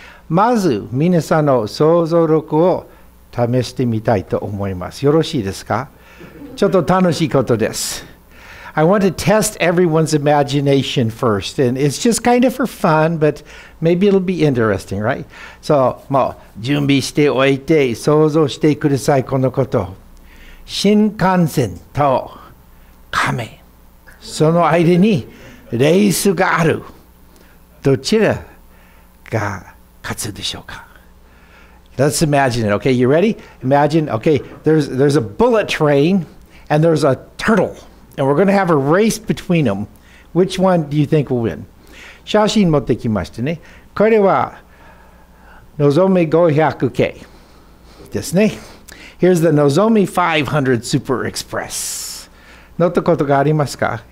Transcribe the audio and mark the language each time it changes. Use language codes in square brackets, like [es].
[ja] まず皆さんの想像力を試してみたいと思います。よろしいですか？ちょっと楽しいことです。 [en] I want to test everyone's imagination first, and it's just kind of for fun, but maybe it'll be interesting, right? [ja] So, もう準備しておいて想像してください、このこと。新幹線と亀、その間にレースがある。どちらが勝つでしょうか? [en] Let's imagine it. Okay, you ready? Imagine, okay, there's a bullet train and there's a turtle. And we're going to have a race between them. Which one do you think will win? [ja] 写真持ってきましたね。これは、のぞみ 500K ですね。 [en] Here's the Nozomi 500 Super Express. [ja] 乗ったことがありますか?